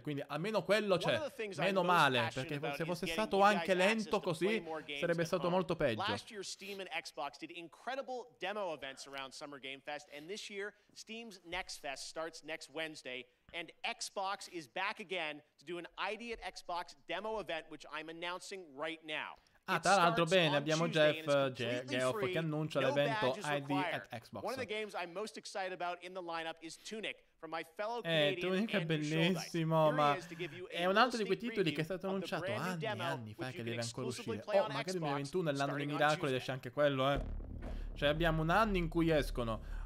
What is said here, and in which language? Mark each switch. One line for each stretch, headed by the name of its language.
Italian: Quindi almeno quello c'è. Meno male. Perché se fosse stato anche lento così, sarebbe stato molto peggio.
English: Last year Steam and Xbox did incredible demo events around Summer Game Fest. And this year Steam's Next Fest starts next Wednesday. And Xbox is back again to do an ID at Xbox demo event, which I'm announcing right now.
Italian: Ah, tra l'altro, bene, abbiamo Jeff Geoff che annuncia l'evento ID at Xbox.
English: One of the games I'm most excited about in the lineup is Tunic from my fellow Canadian
Italian: Tunic è bellissimo, ma è un altro di quei titoli che è stato annunciato anni fa che deve ancora uscire. Oh, magari 2021 è l'anno dei miracoli ed esce anche quello, eh. Cioè, abbiamo un anno in cui escono.